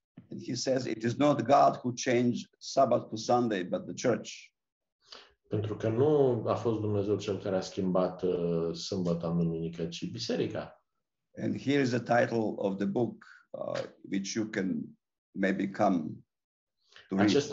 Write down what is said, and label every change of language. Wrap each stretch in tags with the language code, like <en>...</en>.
<en>And he says it is not God who changed Sabbath to Sunday, but the church.</en> <ro>Pentru că nu a fost Dumnezeu cel care a schimbat sâmbăta în duminică, ci biserica.</ro> <en>And here is the title of the book which you can maybe come to read.</en>